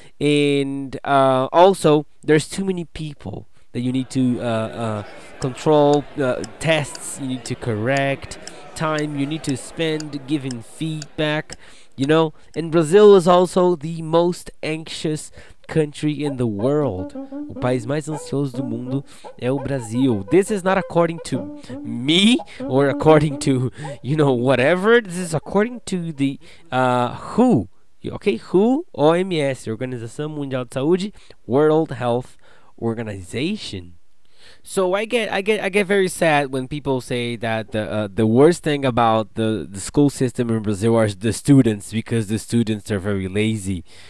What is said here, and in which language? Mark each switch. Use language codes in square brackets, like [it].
[en] And also, there's too many people that you need to control, tests you need to correct, time you need to spend giving feedback, you know. And Brazil is also the most anxious country in the world. [pt] O país mais ansioso do mundo é o Brasil. [en] This is not according to me or according to, you know, whatever. This is according to the WHO. Okay, WHO, OMS, Organização Mundial de Saúde, World Health Organization. So I get very sad when people say that the worst thing about the school system in Brazil are the students, because the students are very lazy.